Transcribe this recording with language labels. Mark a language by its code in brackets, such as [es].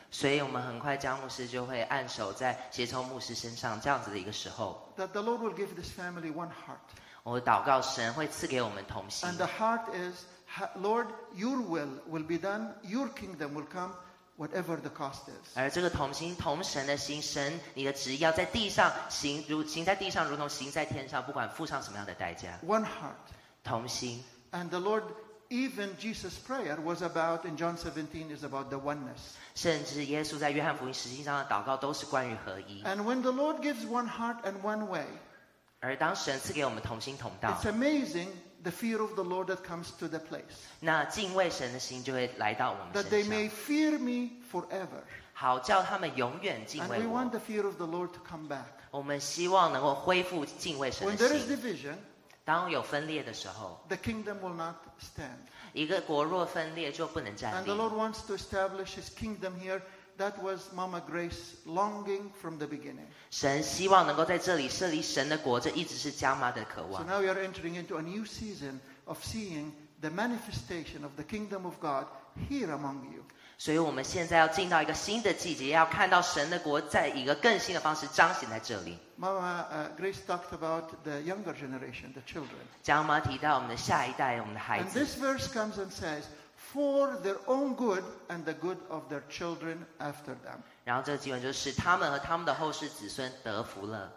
[zh] 所以我们很快江牧师就会按手在协同牧师身上，这样子的一个时候。 [en] That the Lord will give this family one heart. [zh] 我祷告神会赐给我们同心。 [en] And the heart is. Lord, your will be done. Your kingdom will come, whatever the cost is. [zh] 而这个同心同神的心，神你的旨意要在地上行，如行在地上，如同行在天上，不管付上什么样的代价。 [en] One heart, [zh] 同心。 [en] And the Lord, even Jesus' prayer was about in John 17 is about the oneness. [zh] 甚至耶稣在约翰福音十七章的祷告都是关于合一。 [en] And when the Lord gives one heart and one way, [zh] 而当神赐给我们同心同道 [en] ，It's amazing. The fear of the Lord that comes to the place. [zh] 那敬畏神的心就会来到我们身上。 [en] That they may fear me forever. [zh] 好，叫他们永远敬畏我。 [en] And we want the fear of the Lord to come back. [zh] 我们希望能够恢复敬畏神的心。 [en] When there is division, [zh] 当有分裂的时候 [en] ，the kingdom will not stand. [zh] 一个国若分裂就不能站立。 [en] And the Lord wants to establish His kingdom here. That was Mama Grace's longing from the beginning. [zh] 神希望能够在这里设立神的国，这一直是加玛的渴望。 [en] So now we are entering into a new season of seeing the manifestation of the kingdom of God here among you. [zh] 所以我们现在要进到一个新的季节，要看到神的国在一个更新的方式彰显在这里。 [en] Mama Grace talked about the younger generation, the children. [zh] 加玛提到我们的下一代，我们的孩子。 [en] And this verse comes and says. For their own good and the good of their children after them. [zh] 然后这个经文就是他们和他们的后世子孙得福了。